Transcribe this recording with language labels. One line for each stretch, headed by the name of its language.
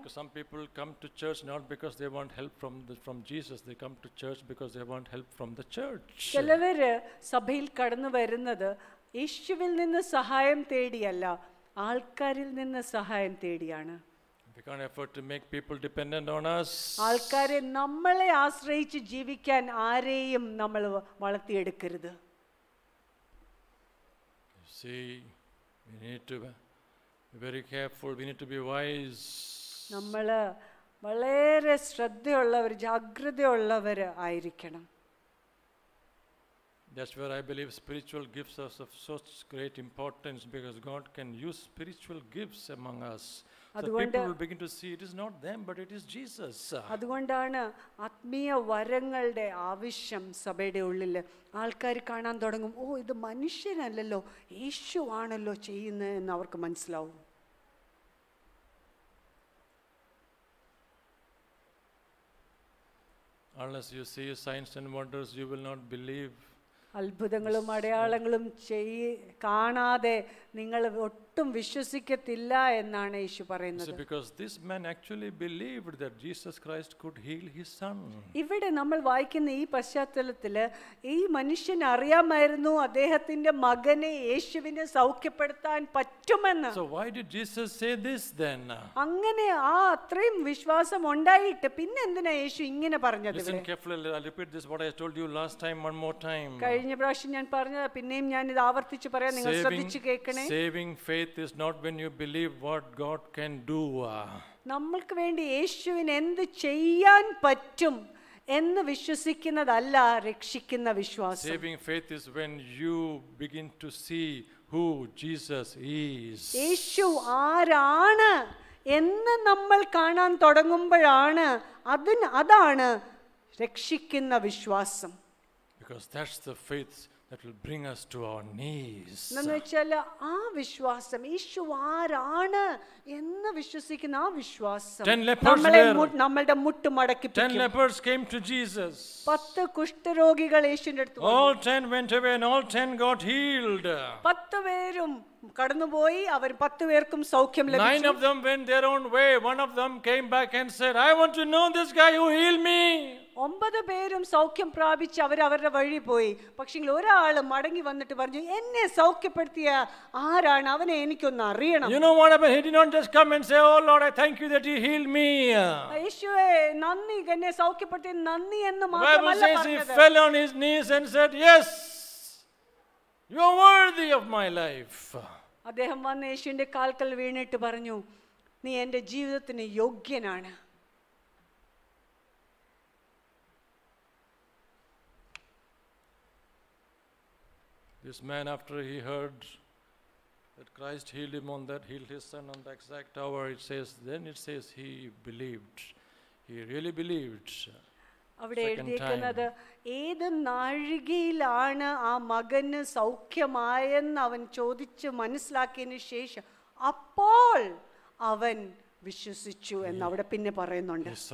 English: Because some people come to church not because they want help from Jesus. They come to church because they want help from the church.
Malayalam: ചിലവര് സഭയിൽ കടന്നു വരുന്നത് യേശുവിൽ നിന്ന് സഹായം തേടിയല്ല, ആൾക്കാരിൽ നിന്ന് സഹായം തേടിയാണ്.
English: We can't afford to make people dependent on us.
Malayalam: ആൾക്കാരെ നമ്മളെ ആശ്രയിച്ച് ജീവിക്കാൻ ആരെയും നമ്മൾ വളർത്തിയെടുക്കരുത്.
English: See, we need to very careful, we need to be wise.
Malayalam: നമ്മള് വളരെ ശ്രദ്ധയുള്ളവർ ജാഗ്രതയുള്ളവർ ആയിരിക്കണം.
English: That's where I believe spiritual gifts are of such great importance, because God can use spiritual gifts among us.
Malayalam: അതുകൊണ്ട്
English: people will begin to see it is not them but it is Jesus.
Malayalam: അതുകൊണ്ടാണ് ആത്മീയ വരങ്ങളുടെ ആവശ്യം സഭയുടെ ഉള്ളിൽ. ആൾക്കാർ കാണാൻ തുടങ്ങും, ഓ ഇത് മനുഷ്യനല്ലല്ലോ, യേശു ആണല്ലോ ചെയ്യുന്നത് എന്ന് അവർക്ക് മനസ്സിലാവും.
English: Unless you see signs and wonders, you will not believe.
Malayalam: അത്ഭുതങ്ങളും അടയാളങ്ങളും കാണാതെ നിങ്ങൾ ഒട്ടും വിശ്വസിക്കത്തില്ല എന്നാണ് യേശു പറയുന്നത്.
English: So because this man actually believed that Jesus Christ could heal his son.
Malayalam: ഇവിടെ നമ്മൾ വായിക്കുന്ന ഈ പശ്ചാത്തലത്തിൽ ഈ മനുഷ്യൻ അറിയാമായിരുന്നു അദ്ദേഹത്തിന്റെ മകനെ യേശുവിനെ സൗഖ്യപ്പെടുത്താൻ പറ്റുമെന്ന്.
English: So why did Jesus say this then?
Malayalam: അങ്ങനെ ആ അത്രയും വിശ്വാസം ഉണ്ടായിട്ട് പിന്നെ എന്തിനാ യേശു ഇങ്ങനെ പറഞ്ഞത്?
English: Listen carefully, I'll repeat this what I told you last time one more time.
Malayalam: കഴിഞ്ഞ പ്രാവശ്യം ഞാൻ പറഞ്ഞത് പിന്നെയും ഞാൻ ഇത് ആവർത്തിച്ച് പറയാം, നിങ്ങൾ ശ്രദ്ധിച്ചു കേൾക്കണേ.
English: Saving faith is not when you believe what God can do.
Malayalam: നമ്മൾക്ക് വേണ്ടി യേശുവിന് എന്ത് ചെയ്യാൻ പറ്റും എന്ന് വിശ്വസിക്കുന്നതല്ല രക്ഷിക്കുന്ന വിശ്വാസം.
English: Saving faith is when you begin to see who Jesus is.
Malayalam: യേശു ആരാണ് എന്ന് നമ്മൾ കാണാൻ തുടങ്ങുമ്പോഴാണ് അതാണ് രക്ഷിക്കുന്ന വിശ്വാസം.
English: Because that's the faith that will bring us to our knees.
Malayalam: നമ്മൾ ചില ആ വിശ്വാസം യേശു ആരാണ് എന്ന് വിശ്വസിക്കുന്ന ആ വിശ്വാസം നമ്മളെ നമ്മളുടെ മുട്ട് മടക്കിപ്പിക്കും.
English: 10 lepers came to Jesus.
Malayalam: 10 കുഷ്ഠരോഗികൾ യേശുവിന്റെ അടുത്ത് വന്നു.
English: All 10 went away and all 10 got healed.
Malayalam: 10 പേരും കടന്നുപോയി, അവർ 10 പേർക്കും സൗഖ്യം ലഭിച്ചു.
English: 9 of them went their own way, one of them came back and said, I want to know this guy who healed me.
Malayalam: 9 പേരും സൗഖ്യം പ്രാപിച്ച് അവരവരുടെ വഴി പോയി, പക്ഷേ ഒരാൾ മടങ്ങി വന്നിട്ട് പറഞ്ഞു, എന്നെ സൗഖ്യപ്പെടുത്തിയ ആരാണ്? അവനെ എനിക്കൊന്ന് അറിയണം.
English: You know what happened? He did not just come and say, oh Lord, I thank you that you healed me.
Malayalam: യേശുവേ, നന്ദി, എന്നെ സൗഖ്യപ്പെടുത്തി നന്ദി എന്ന് മാത്രമല്ല പറഞ്ഞത്.
English: He fell on his knees and said, yes, you are worthy of my life.
Malayalam: അദ്ദേഹം വന്ന് യേശുവിന്റെ കാൽക്കൽ വീണിട്ട് പറഞ്ഞു, നീ എന്റെ ജീവിതത്തിന് യോഗ്യനാണ്.
English: This man, after he heard that Christ healed him on that, healed his son on the exact hour, it says, then it says he believed. He really believed.
Malayalam: അവിടെ എഴുതിയിരിക്കുന്നത് ഏത് നാഴികയിലാണ് ആ മകന് സൗഖ്യമായെന്ന് അവൻ ചോദിച്ച് മനസ്സിലാക്കിയതിന് ശേഷം അപ്പോൾ അവൻ വിശ്വസിച്ചു എന്ന് അവിടെ പിന്നെ പറയുന്നുണ്ട്.